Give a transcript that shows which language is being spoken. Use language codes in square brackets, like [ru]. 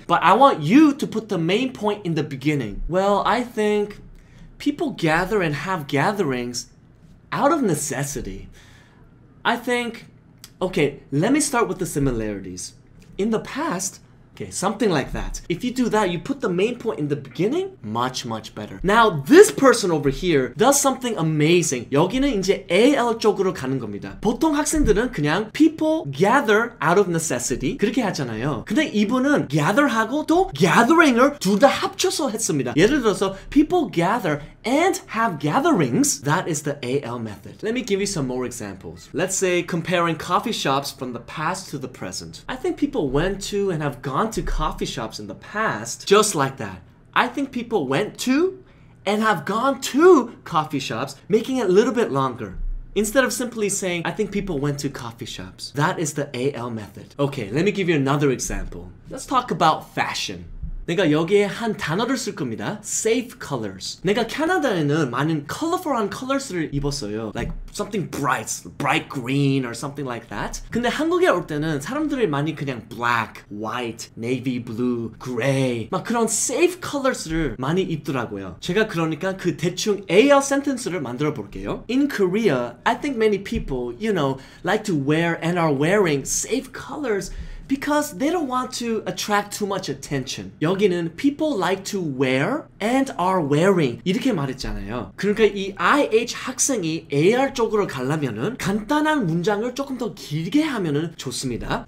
[en] But I want you to put the main point in the beginning. Well, I think people gather and have gatherings out of necessity. I think, okay, let me start with the similarities. In the past, okay, something like that. If you do that, you put the main point in the beginning, much, much better. Now, this person over here does something amazing. [ko] 여기는 이제 AL 쪽으로 가는 겁니다. 보통 학생들은 그냥 [en] people gather out of necessity [ko] 그렇게 하잖아요. 근데 이분은 gather하고 또 gathering을 둘 다 합쳐서 했습니다. 예를 들어서 [en] people gather and have gatherings, that is the AL method. Let me give you some more examples. Let's say comparing coffee shops from the past to the present. I think people went to and have gone to coffee shops in the past, just like that. I think people went to and have gone to coffee shops, making it a little bit longer. Instead of simply saying, I think people went to coffee shops. That is the AL method. Okay, let me give you another example. Let's talk about fashion. [ko] 내가 여기에 한 단어를 쓸 겁니다. [en] Safe colors. [ko] 내가 캐나다에는 많은 colorful한 colors를 입었어요. [en] Like something bright, bright green or something like that. [ko] 근데 한국에 올 때는 사람들이 많이 그냥 black, white, navy blue, gray 막 그런 safe colors를 많이 입더라고요. 제가 그러니까 그 대충 AL sentence를 만들어 볼게요. [en] In Korea, I think many people, you know, like to wear and are wearing safe colors because they don't want to attract too much attention. [ko] 여기는 [en] people like to wear and are wearing [ko] 이렇게 말했잖아요. 그러니까 이 IH 학생이 AR 쪽으로 가려면은 간단한 문장을 조금 더 길게 하면은 좋습니다.